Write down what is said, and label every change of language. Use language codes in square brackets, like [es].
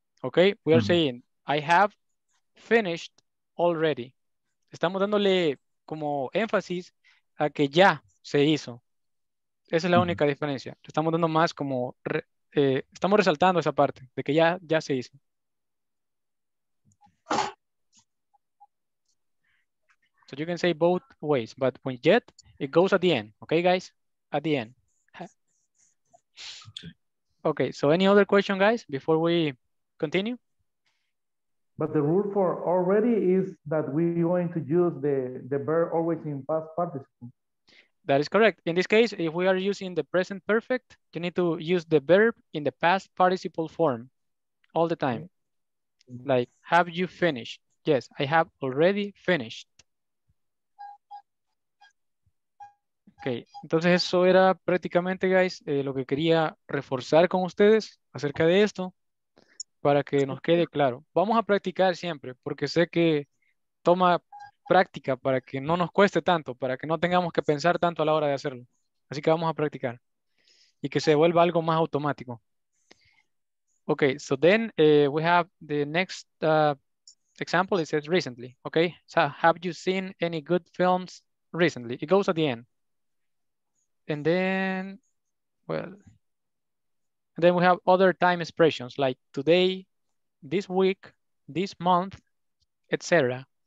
[en] Okay, we are saying, I have finished already. [es] Estamos dándole como énfasis a que ya se hizo. Esa es la única diferencia. Estamos dando más como estamos resaltando esa parte de que ya se hizo. [en] So you can say both ways, but when yet, it goes at the end. Okay, guys? At the end. Okay, so any other question, guys, before we continue? But the rule for already is that we're going to use the verb always in past participle. That is correct. In this case, if we are using the present perfect, you need to use the verb in the past participle form all the time. Okay. Like, have you finished? Yes, I have already finished. [es] Okay, entonces eso era prácticamente, guys, lo que quería reforzar con ustedes acerca de esto. Para que nos quede claro. Vamos a practicar siempre, porque sé que toma práctica para que no nos cueste tanto, para que no tengamos que pensar tanto a la hora de hacerlo. Así que vamos a practicar y que se vuelva algo más automático. [en] Ok, so then we have the next example. It says recently. Ok, so have you seen any good films recently? It goes at the end. And then, well. And then we have other time expressions like today, this week, this month, etc.